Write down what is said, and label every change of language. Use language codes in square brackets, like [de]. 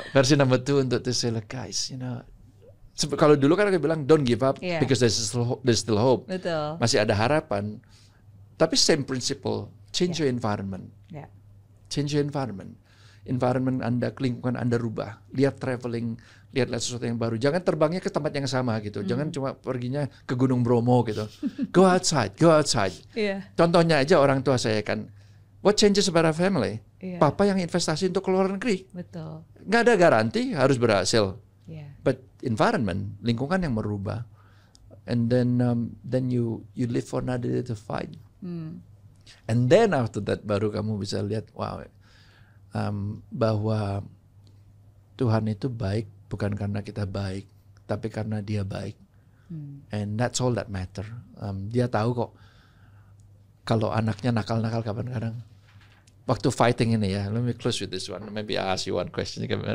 [en] Versi number 2 untuk to say like, guys, you know, [id] kalau dulu kan aku bilang [en] don't give up because there's still hope. [id] Betul. Masih ada harapan. [en] Tapi same principle, change your environment. Change your environment. [id] Environment Anda, lingkungan Anda rubah. Lihat traveling, lihat sesuatu yang baru. Jangan terbangnya ke tempat yang sama gitu. Jangan cuma perginya ke Gunung Bromo gitu. [en] Go outside. [id] Contohnya aja orang tua saya kan, [en] what changes about our family? [id] Papa yang investasi untuk ke luar negeri. Betul. Gak ada garansi harus berhasil. But environment, lingkungan yang merubah. [en] And then you live for another day to fight. And then after that [id] baru kamu bisa lihat, wow, bahwa Tuhan itu baik bukan karena kita baik, tapi karena Dia baik. [en] And that's all that matter. [id] Dia tahu kok kalau anaknya nakal-nakal kadang-kadang. Waktu fighting ini ya, [en] let me close with this one. Maybe I ask you one question.